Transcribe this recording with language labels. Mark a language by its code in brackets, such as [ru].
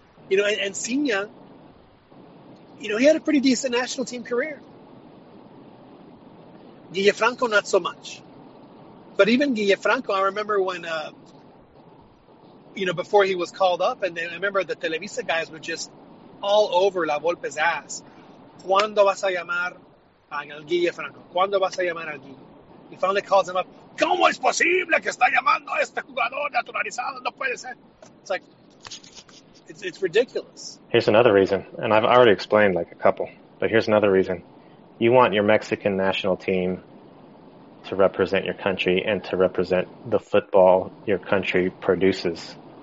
[en] You know, and Cina, you know, he had a pretty decent national team career. Guille Franco, not so much. But even Guille Franco, I remember when, you know, before he was called up, and then I remember the Televisa guys were just all over La Volpe's ass. [es] ¿Cuándo vas a llamar al Guille Franco? ¿Cuándo vas a llamar al Guille? [en] He finally calls him up. [es] ¿Cómo es posible que está llamando a este jugador naturalizado? No puede ser. [en] It's like, it's ridiculous. Here's another reason, and I've already explained like a couple, but here's another reason. You want your Mexican national team to represent your country and to represent the football your country produces.